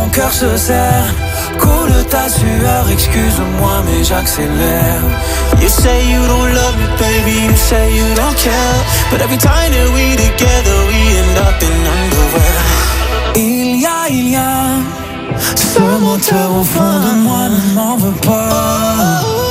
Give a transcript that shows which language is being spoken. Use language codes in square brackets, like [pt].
[fr] Se serre, coule ta sueur, excuse-moi mais j'accélère. [en] You say you don't love me, baby, you say you don't care. But every time that we together, we end up in underwear. [fr] Il y a ce moteur au fond de moi ne m'en veut pas.